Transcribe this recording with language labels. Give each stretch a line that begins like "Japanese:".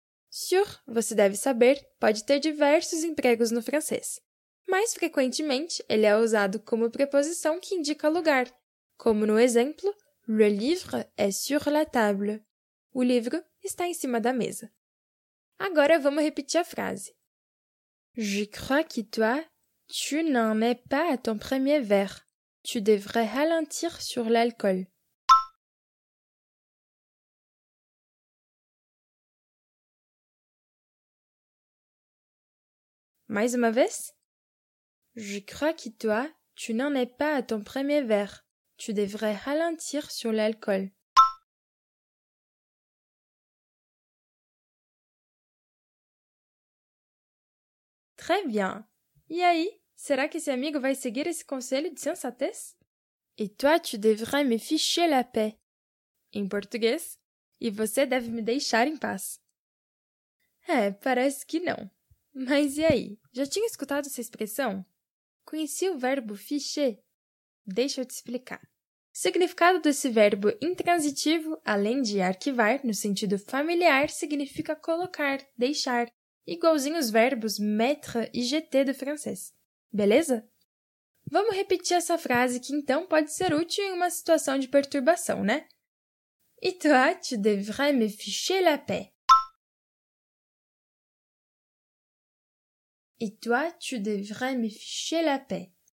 Portuguese: Sur, você deve saber, pode ter diversos empregos no francês. Mais frequentemente, ele é usado como preposição que indica lugar, como no exemplo
French: le livre est sur la table.
Portuguese: O livro está em cima da mesa. Agora vamos repetir a frase.
French: Je crois que toi, tu n'en es pas à ton premier verre. Tu devrais ralentir sur l'alcool.
Portuguese: Mais uma vez.
French: Je crois que toi, tu n'en es pas à ton premier verre. Tu devrais ralentir sur l'alcool. Très bien.
Portuguese: E aí, será que esse amigo vai seguir esse conselho de sensatez?
French: Et toi, tu devrais me ficher la paix.
Portuguese: Em português, e você deve me deixar em paz. É, parece que não. Mas e aí, já tinha escutado essa expressão? Conheci o verbo ficher? Deixa eu te explicar. O significado desse verbo intransitivo, além de arquivar, no sentido familiar, significa colocar, deixar. Igualzinho os verbos mettre e jeter do francês. Beleza? Vamos repetir essa frase que então pode ser útil em uma situação de perturbação, né?
French: Et toi, tu devrais me ficher la paix. Et toi, tu devrais me ficher la paix.